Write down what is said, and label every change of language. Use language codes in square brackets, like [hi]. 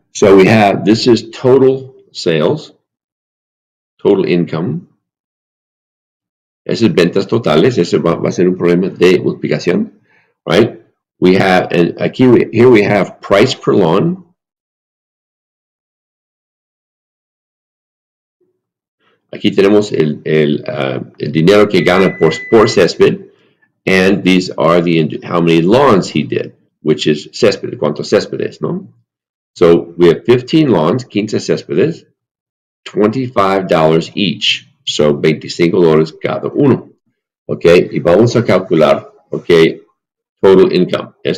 [en] So we have, this is total sales, total income. [es] Es ventas totales. Ese va a ser un problema de multiplicación, right? [en] We have, and aquí, here we have price per lawn. [es] Aquí tenemos el dinero que gana por césped. [en] And these are the how many lawns he did, which is césped, [es] cuánto céspedes, no? [en] So we have 15 lawns, 15 céspedes, $25 each. [es] So $25 cada uno. Okay, y vamos a calcular, okay, [en] total income.